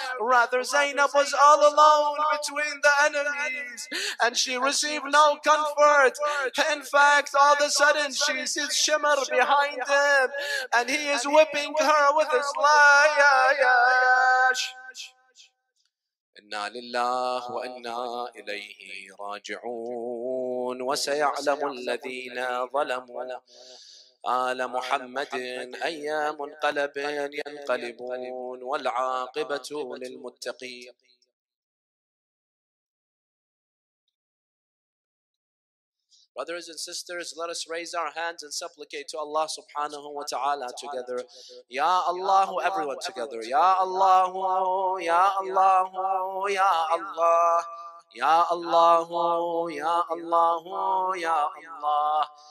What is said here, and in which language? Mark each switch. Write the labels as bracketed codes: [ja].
[en] Rather, Zainab was all alone between the enemies and she received no comfort. In fact, all of a sudden she sees Shimmer behind him and he is whipping her with his lash. [ar] إنا لله وإنا إليه راجعون وسيعلم الذين ظلموا آل محمد أي منقلب ينقلبون والعاقبة للمتقين. [en] Brothers and sisters, let us raise our hands and supplicate to Allah subhanahu wa ta'ala together. Ya Allah, everyone together. Ya Allah, Ya Allah, Ya Allah. Ya Allah, Ya Allah, Ya Allah.